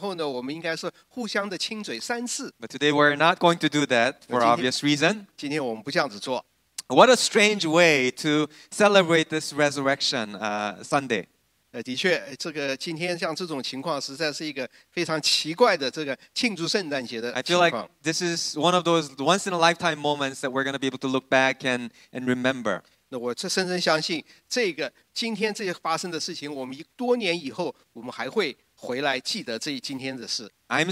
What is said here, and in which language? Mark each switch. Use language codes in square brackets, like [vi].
[zh] 你知道老的这个教会的传统是我们这样子讲的时候呢，我们应该是互相的亲嘴3次。 [en] But today we're not going to do that for obvious reason. [zh] 今天我们不这样子做。 [en] What a strange way to celebrate this resurrection Sunday. [zh] 的确，这个今天像这种情况，实在是一个非常奇怪的这个庆祝圣诞节的情况。 [en] I feel like this is one of those once in a lifetime moments that we're going to be able to look back and remember. [zh] 那我深深相信，这个今天这些发生的事情，我们多年以后，我们还会回来记得这今天的事。I'm